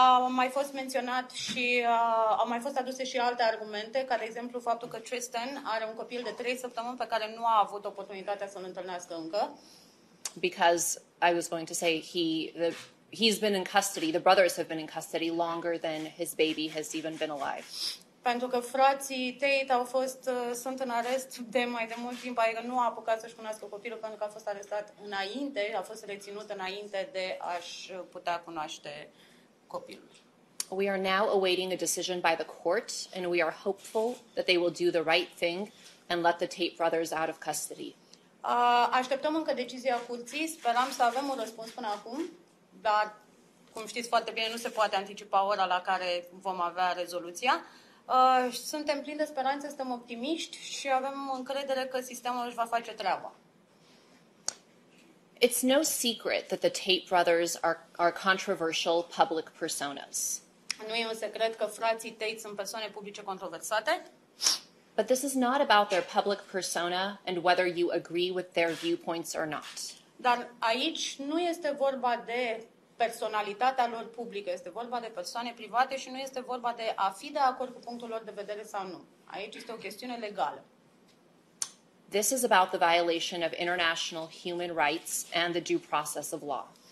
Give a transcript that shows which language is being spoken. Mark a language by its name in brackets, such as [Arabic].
[Romanian] Mai fost menționat și au mai fost aduse și alte argumente, ca de exemplu faptul că Tristan are un copil de 3 săptămâni pe care nu a avut oportunitatea să-l întâlnească încă. [English] Because I was going to say he's been in custody, the brothers have been in custody longer than his baby has even been alive. [Romanian] Pentru că frații Tate au fost sunt în arest de mai de mult timp, adică nu a apucat să-și cunoască copilul pentru că a fost arestat înainte, a fost reținut înainte de a-și putea cunoaște copilul. [English] We are now awaiting a decision by the court and we are hopeful that they will do the right thing and let the Tate brothers out of custody. [Romanian] Așteptăm încă decizia curții, sperăm să avem un răspuns până acum, dar cum știți foarte bine, nu se poate anticipa ora la care vom avea rezoluția. Suntem plini de speranță, suntem optimiști și avem încredere că sistemul își va face treaba. [English] It's no secret that the Tate brothers are controversial public personas. [Romanian] Nu e un secret că frații Tate sunt persoane publice controversate. [English] But this is not about their public persona and whether you agree with their viewpoints or not. [Romanian] Dar aici nu este vorba de personalitatea lor publică, este vorba de persoane private și nu este vorba de a fi de acord cu punctul lor de vedere sau nu. Aici este o chestiune legală. [English] This is about the violation of international human rights and the due process of law.